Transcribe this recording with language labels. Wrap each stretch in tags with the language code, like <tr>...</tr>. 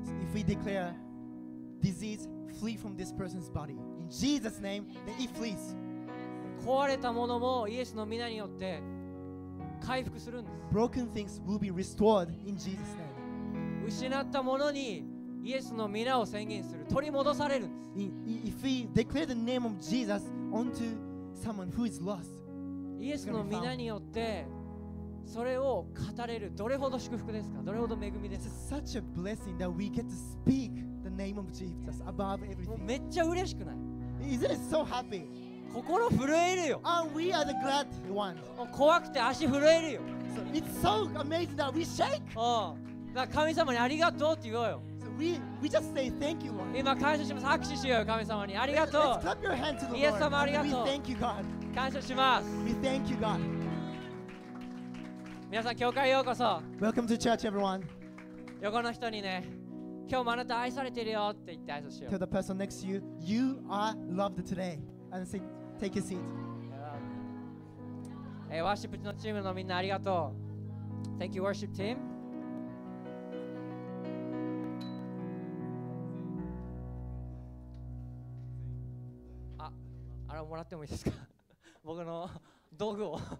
<en>So、if we declare disease flee from this person's body in Jesus' name, then it flees.</en> <ja>壊れたものもイエスの御名によって回復するんです。</ja> <en>Broken things will be restored in Jesus' name.</en> <ja>失ったものにイエスの御名を宣言する取り戻されるんです。</ja> <en>If we declare the name of Jesus onto someone who is lost,</en> <ja>イエスの御名によってそれを語れるどれほど祝福ですか、どれほど恵みですか。</ja> <en>It's such a blessing that we get to speak the name of Jesus above everything.</en> <ja>めっちゃ嬉しくない。</ja> <en>Isn't it so happy?</en> <ja>心震えるよ。</ja> <en>And we are the glad ones.</en> <ja>怖くて足震えるよ。</ja> <en>So it's so amazing that we shake.</en> <ja>だから神様にありがとうって言おうよ。</ja> <en>So we just say thank you, Lord.</en> <ja>今感謝します。握手しようよ神様に。ありがとう。</ja> <en>Let's clap your hand to the Lord.</en> <ja>イエス様ありがとう。</ja> <en>We thank you, God.</en> <ja>感謝します。</ja> <en>We thank you, God.</en> <ja>皆さん教会へようこそ。</ja> <en>Welcome to church, everyone.</en> <ja>横の人にね、今日もあなた愛されてるよって言って挨拶しよう。</ja> <en>Tell the person next to you, you are loved today. And say, take your seat.</en> <ja>ワーシップのチームのみんなありがとう。</ja> <en>Thank you, worship team.</en> <ja>あれもらってもいいですか。僕の道具を。</ja>